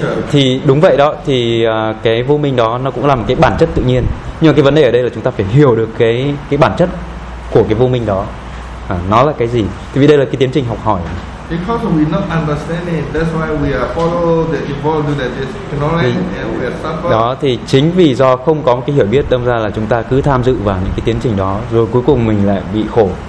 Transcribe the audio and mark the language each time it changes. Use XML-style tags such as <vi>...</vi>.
<vi>Thì đúng vậy đó, thì cái vô minh đó nó cũng là một cái bản chất tự nhiên. Nhưng mà cái vấn đề ở đây là chúng ta phải hiểu được cái bản chất của cái vô minh đó. Nó là cái gì? Thì vì đây là cái tiến trình học hỏi.</vi> <en>Because we not understand it, that's why we are follow the evolution that is ignorant and we are suffer.</en> <vi>Đó thì chính vì do không có một cái hiểu biết, đâm ra là chúng ta cứ tham dự vào những cái tiến trình đó, rồi cuối cùng mình lại bị khổ.</vi>